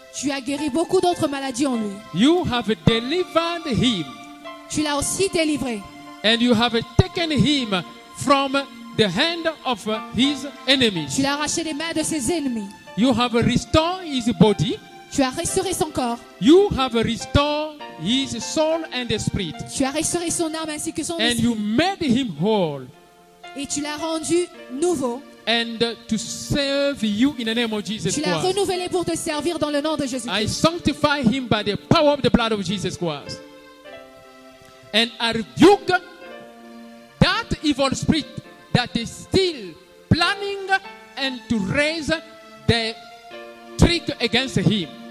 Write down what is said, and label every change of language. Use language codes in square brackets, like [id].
[fr] Tu as guéri beaucoup d'autres maladies en lui. [en] You have delivered him. [fr] Tu l'as aussi délivré. [en] And you have taken him from the hand of his enemies. [fr] Tu l'as arraché des mains de ses ennemis. [en] You have restored his body. [fr] Tu as restauré son corps. [en] You have restored his soul and spirit. [fr] Tu as restauré son âme ainsi que son esprit. [en] And you made him whole. [fr] Et tu l'as rendu nouveau. [en] And to serve you in the name of Jesus [fr] Christ. Tu l'as renouvelé pour te servir dans le nom de Jésus Christ. [en] I sanctify him by the power of the blood of Jesus Christ. And I rebuke that evil spirit that is still planning and to raise the trick against him.